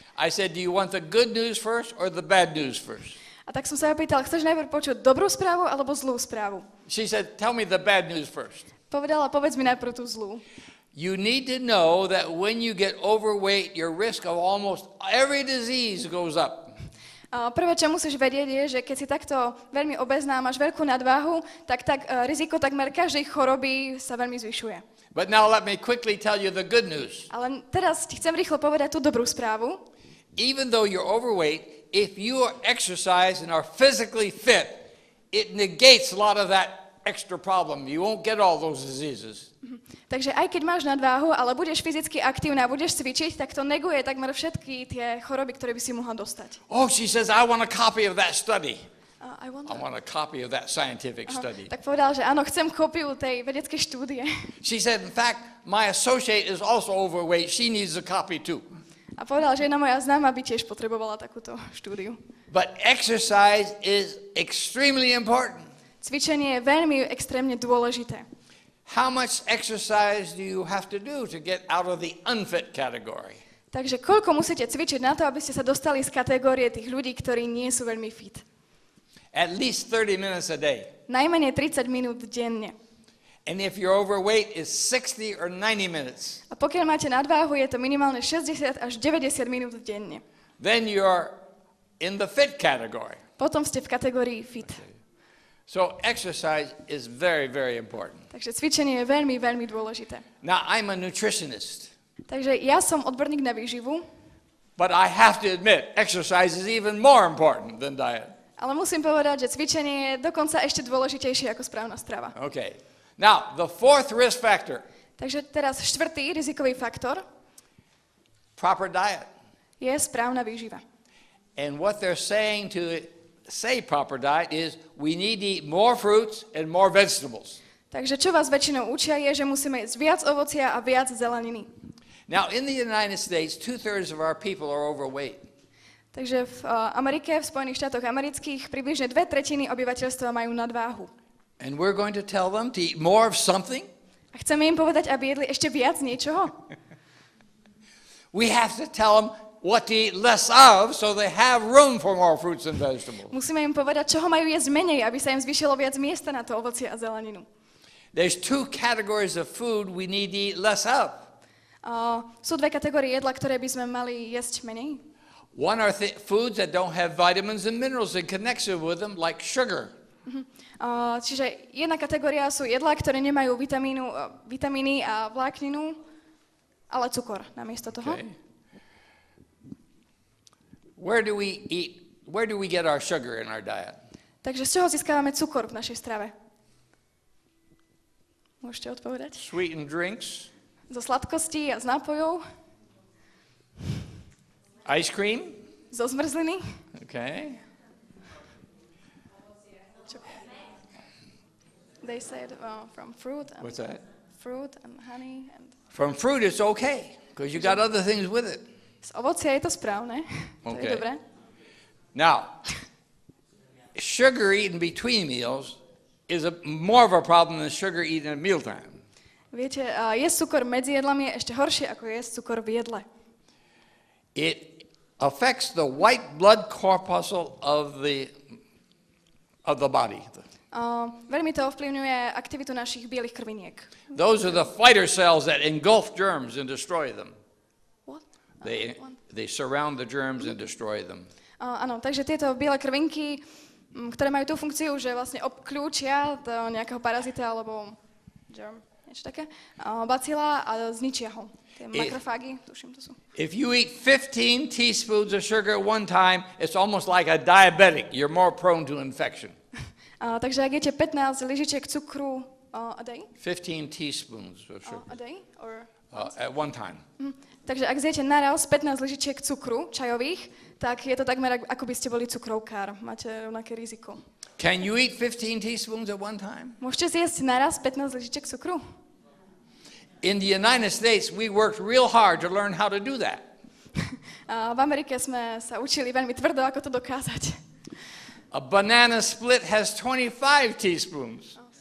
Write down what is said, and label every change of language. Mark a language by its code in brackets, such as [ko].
[en] I said, do you want the good news first or the bad news first? [sk] A tak som sa ho pýtal, chceš najprv počuť dobrú správu alebo zlú správu? [en] She said, tell me the bad news first. [sk] Povedala, povedz mi najprv tú zlú. [en] You need to know that when you get overweight, your risk of almost every disease goes up. [sk] Prvé, čo musíš vedieť, je, že keď si takto veľmi obezná, máš veľkú nadváhu, tak riziko takmer každej choroby sa veľmi zvyšuje. [en] But now let me quickly tell you the good news. [sk] Ale teraz ti chcem rýchlo povedať tú dobrú správu. [en] Even though you're overweight, if you are exercised and are physically fit, it negates a lot of that extra problem. You won't get all those diseases. [sk] Takže aj keď máš nadváhu, ale budeš fyzicky aktívna, budeš cvičiť, tak to neguje takmer všetky tie choroby, ktoré by si mohla dostať. [en] Oh, she says, I want a copy of that study. I want a copy of that scientific study. [sk] Tak povedal, že áno, chcem kópiu tej vedeckej štúdie. [en] She said, in fact, my associate is also overweight. She needs a copy too. [sk] A povedal, že jedna moja známa by tiež potrebovala takúto štúdiu. [en] But exercise is extremely important. [sk] Cvičenie je veľmi extrémne dôležité. [en] How much exercise do you have to do to get out of the unfit category? [sk] Takže koľko musíte cvičiť na to, aby ste sa dostali z kategórie tých ľudí, ktorí nie sú veľmi fit? [en] At least 30 minutes a day. [sk] Najmenej 30 minút denne. [en] And if you're overweight, it's 60 or 90 minutes. [sk] A pokiaľ máte nadváhu, je to minimálne 60 až 90 minút denne. [en] Then you're in the fit category. [sk] Potom ste v kategórii fit. [en] So exercise is very, very important. [sk] Takže cvičenie je veľmi, veľmi dôležité. [en] Now I'm a nutritionist. [sk] Takže ja som odborník na výživu. [en] But I have to admit, exercise is even more important than diet. [sk] Ale musím povedať, že cvičenie je dokonca ešte dôležitejšie ako správna strava. [en] Okay. Now, the fourth risk factor. [sk] Takže teraz štvrtý rizikový faktor. [en] Proper diet. [sk] Je správna výživa. [en] And what they're saying to say proper diet is we need to eat more fruits and more vegetables. [sk] Takže čo vás väčšinou učia je, že musíme jesť viac ovocia a viac zeleniny. [en] Now in the United States, 2/3 of our people are overweight. [sk] Takže v Amerike, v Spojených štátoch amerických, približne 2/3 obyvateľstva majú nadváhu. [en] And we're going to tell them to eat more of something? [sk] A chceme im povedať, aby jedli ešte viac niečoho? [en] We have to tell them what to eat less of, so they have room for more fruits and vegetables. [sk] Musíme im povedať, čoho majú jesť menej, aby sa im zvýšilo viac miesta na to ovocie a zeleninu. [en] There's two categories of food we need to eat less of. [sk] Sú dve kategórie jedla, ktoré by sme mali jesť menej. [en] One are foods that don't have vitamins and minerals in connection with them, like sugar. [sk] Čiže jedna kategória sú jedla, ktoré nemajú vitamíny a vlákninu, ale cukor namiesto toho. [en] Okay. Where do we get our sugar in our diet? [sk] Takže z čoho získavame cukor v našej strave? Môžete odpovedať? [en] Sweetened drinks. [sk] Zo sladkostí a z nápojov. [en] Ice cream? [sk] Zo zmrzliny. [en] Okay. They said from fruit. And what's that? Fruit and honey and from fruit it's okay because you got other things with it. [sk] Z ovocia je to správne. [en] Okay. [sk] To je dobré. [en] Now, sugar eaten between meals is more of a problem than sugar eaten at mealtime. [sk] Viete, jesť cukor medzi jedlami je ešte horšie ako jesť cukor v jedle. [en] It affects the white blood corpuscle of the body. [sk] Veľmi to ovplyvňuje aktivitu našich bielých krviniek. [en] Those are the fighter cells that engulf germs and destroy them. What? They surround the germs and destroy them. [sk] Áno, takže tieto biele krvinky, ktoré majú tú funkciu, že vlastne obklúčia do nejakého parazita alebo germ, niečo také, bacila a zničia ho. Tie makrofágy, tuším to sú. [en] If you eat 15 teaspoons of sugar one time, it's almost like a diabetic. You're more prone to infection. [sk] Takže ak jete 15 lyžičiek cukru [en] a day? 15 teaspoons of sugar. A day? Or at one time. [sk] Takže ak zjete naraz 15 lyžičiek cukru, čajových, tak je to takmer, ako by ste boli cukrovkár. Máte rovnaké riziko. [en] Can you eat 15 teaspoons at one time? [sk] Môžete zjesť naraz 15 lyžičiek cukru? [en] In the United States, we worked real hard to learn how to do that. [sk] V Amerike sme sa učili veľmi tvrdo, ako to dokázať. [en] A banana split has 25 teaspoons.